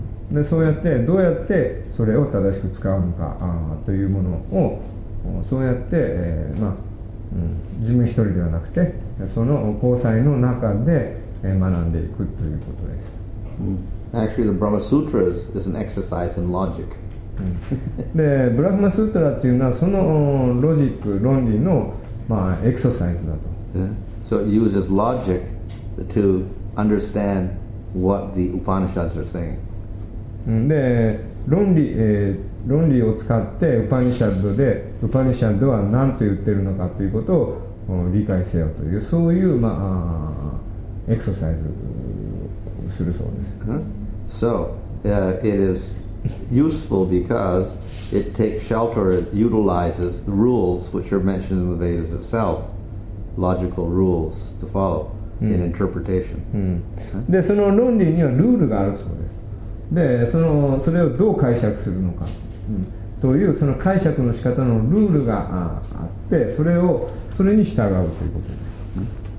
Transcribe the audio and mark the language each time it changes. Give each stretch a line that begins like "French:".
Japanese: でそうやってどうやってそれを正しく使うのかというものをそうやって、まあ、自分一人ではなくてその交際の中で学んでいくということです。
English: Actually the Brahma Sutras is an exercise in logic.
Japanese: でブラフマスートラというのはそのロジック論理の、まあ、エクササイズだと。
English: So it uses logic to understand what the Upanishads are saying.
Japanese: で論理を使ってウパニシャッドは何と言ってるのかということを理解せよというそういう、まあ、エクササイズをするそうです。
English: So, it is useful because it takes shelter, it utilizes the rules which are mentioned in the Vedas itself, logical rules to follow in interpretation.
Japanese: でその論理にはルールがあるそうです。でそれをどう解釈するのか、というその解釈の仕方のルールがあってそれに従うということです